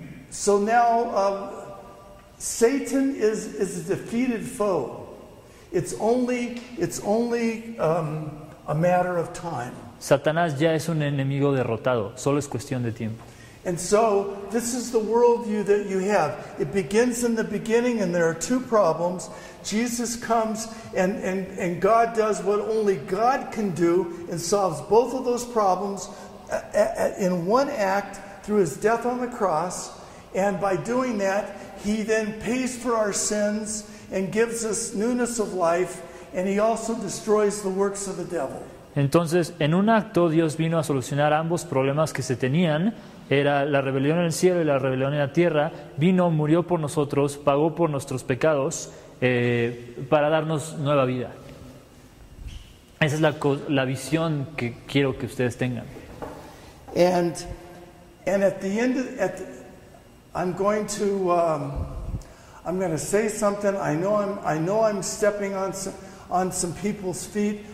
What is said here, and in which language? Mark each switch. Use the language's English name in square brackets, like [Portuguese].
[English] So now Satan is a defeated foe. It's only a matter of time. [Spanish] Satanás ya es un enemigo derrotado. Solo es cuestión de tiempo. [English] And so, this is the worldview that you have. It begins in the beginning, and there are two problems. Jesus comes, and God does what only God can do, and solves both of those problems in one act through his death on the cross. And by doing that, he then pays for our sins and gives us newness of life, and he also destroys the works of the devil. [Spanish] Entonces, en un acto, Dios vino a solucionar ambos problemas que se tenían. Era la rebelión en el cielo y la rebelión en la tierra. Vino, murió por nosotros, pagó por nuestros pecados para darnos nueva vida. Esa es la visión que quiero que ustedes tengan. [English] And at the end, I'm going to say something. I know I'm stepping on some people's feet.